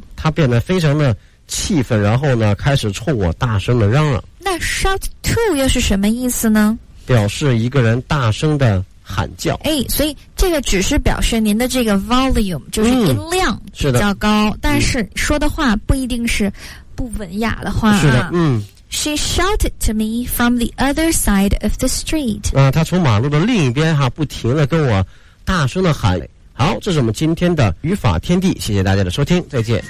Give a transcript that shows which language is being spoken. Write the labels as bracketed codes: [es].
[zh] 他变得非常的气愤然后呢开始冲我大声的嚷嚷那 [en] shout to [zh] 又是什么意思呢表示一个人大声的喊叫哎，所以这个只是表示您的这个 volume 就是音量比较高、嗯、是的但是说的话不一定是不文雅的话、啊、是的嗯 [en] She shouted to me from the other side of the street [zh] 啊，她从马路的另一边哈、啊、不停地跟我大声地喊好这是我们今天的语法天地谢谢大家的收听再见